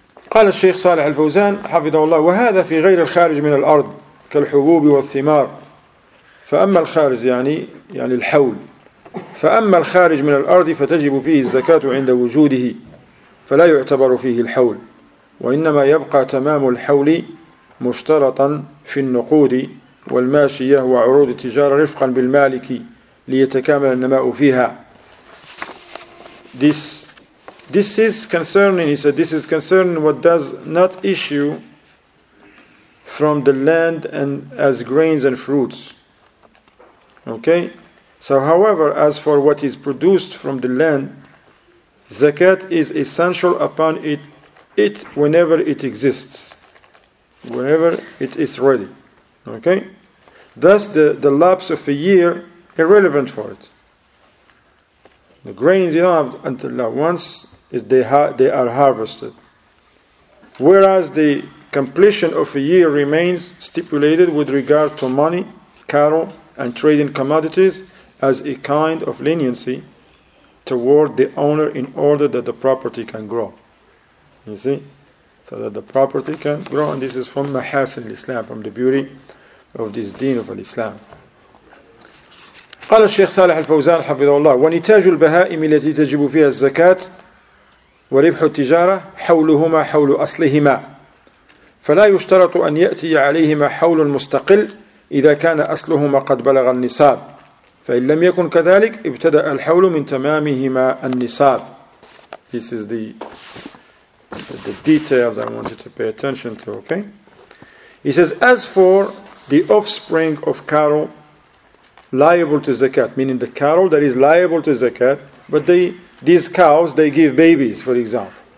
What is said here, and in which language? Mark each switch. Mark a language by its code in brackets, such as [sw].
[ar] قال الشيخ صالح الفوزان حفظه الله وهذا في غير الخارج من الأرض كالحبوب والثمار فأما الخارج يعني الحول فأما الخارج من الأرض فتجب فيه الزكاة عند وجوده فلا يعتبر فيه الحول وإنما يبقى تمام الحول مشترطا في النقود والماشية وعروض التجارة رفقا بالمالك ليتكامل النماء فيها. [en] This is concerning what does not issue from the land and as grains and fruits. Okay? So however, as for what is produced from the land, zakat is essential upon it whenever it exists. whenever it is ready. Okay? Thus, the lapse of a year irrelevant for it. The grains, you know, until now, once they are harvested. Whereas the completion of a year remains stipulated with regard to money, cattle, and trading commodities as a kind of leniency toward the owner in order that the property can grow. You see? So that the property can grow. And this is from Mahasin al-Islam, from the beauty of this deen of al-Islam. [ar] قال الشيخ صالح الفوزان حفظه الله ونتاج البهائم التي تجب فيها الزكاة وربح التجارة حولهما حول أصلهما فلا يشترط أن يأتي عليهما حول مستقل إذا كان أصلهما قد بلغ النصاب فإن لم يكن كذلك ابتدأ الحول من تمامهما النصاب. [en] This is the details I wanted to pay attention to. Okay, he says, as for the offspring of cattle liable to zakat, meaning the cattle that is liable to zakat, but these cows, they give babies, for example.